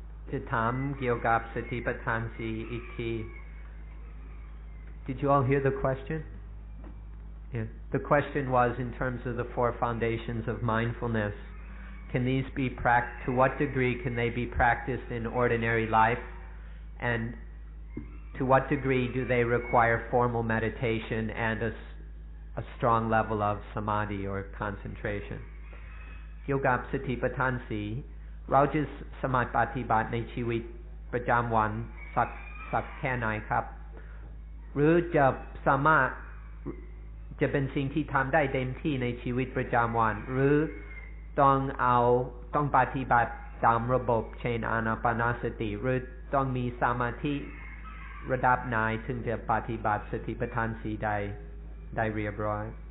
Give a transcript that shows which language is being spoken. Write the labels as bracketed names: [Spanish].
[Thai] จะถามเกี่ยวกับสติปัฏฐานสี่อีกที [English] Did you all hear the question? Yeah. The question was in terms of the four foundations of mindfulness. Can these be to what degree can they be practiced in ordinary life? And to what degree do they require formal meditation and a strong level of samadhi or concentration? [Thai] เกี่ยวกับสติปัฏฐานสี่เราจะสมาธิปฏิบัติในชีวิตประจำวันสักแค่ไหนครับหรือจะสามารถจะเป็นสิ่งที่ทำได้เต็มที่ในชีวิตประจำวันหรือต้องปฏิบัติตามระบบเช่นอานาปานสติหรือต้องมีสมาธิระดับไหนถึงจะปฏิบัติสติปัฏฐานสี่ได้เรียบร้อย